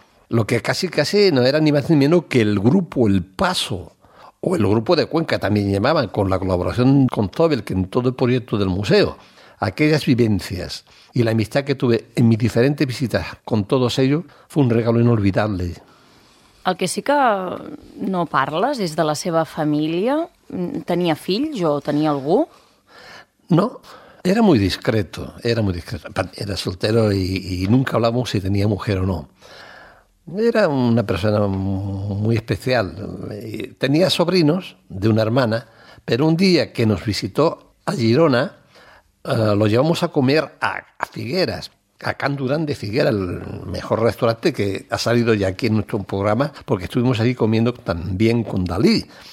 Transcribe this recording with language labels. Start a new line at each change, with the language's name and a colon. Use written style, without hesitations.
Spanish: Lo que casi no era ni más ni menos que el grupo El Paso, o el grupo de Cuenca también llamaban, con la colaboración con Zobel, que en todo el proyecto del museo. Aquellas vivencias y la amistad que tuve en mis diferentes visitas con todos ellos fue un regalo inolvidable.
Catalan: El que sí que no parles és de la seva família. Tenia fills o tenia algú?
Spanish: No, era muy discreto, era muy discreto. Era soltero y nunca hablamos si tenía mujer o no. Era una persona muy especial. Tenía sobrinos de una hermana, Pero un día que nos visitó a Girona, lo llevamos a comer a Figueras, a Can Durán de Figueras, el mejor restaurante que ha salido ya aquí en nuestro programa, porque estuvimos allí comiendo también con Dalí.